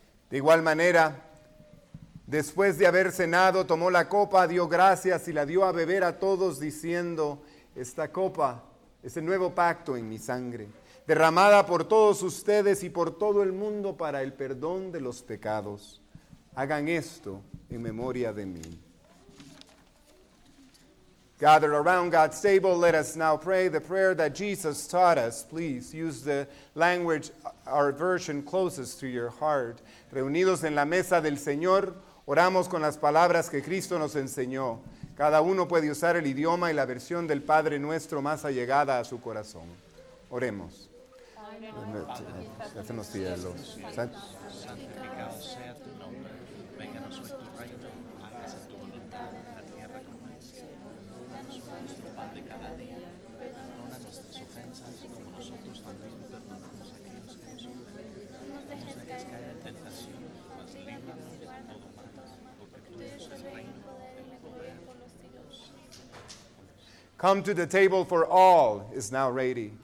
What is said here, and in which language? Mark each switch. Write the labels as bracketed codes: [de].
[es] De igual manera, después de haber cenado, tomó la copa, dio gracias y la dio a beber a todos diciendo, esta copa es el nuevo pacto en mi sangre, derramada por todos ustedes y por todo el mundo para el perdón de los pecados. Hagan esto en memoria de mí. [en] Gathered around God's table, let us now pray the prayer that Jesus taught us. Please use the language our version closest to your heart. [es] Reunidos en la mesa del Señor, oramos con las palabras que Cristo nos enseñó. Cada uno puede usar el idioma y la versión del Padre Nuestro más allegada a su corazón. Oremos. Hacemos cielos. Santificado sea tu nombre. Venga a nosotros tu reino. Hágase tu voluntad en la tierra como en el cielo. Danos hoy nuestro pan de cada día. Perdona nuestras ofensas como nosotros también perdonamos a aquellos que nos ofenden. No nos dejes caer en tentación, mas líbranos de todo mal. Porque tú eres el reino. [en] Come to the table, for all is now ready.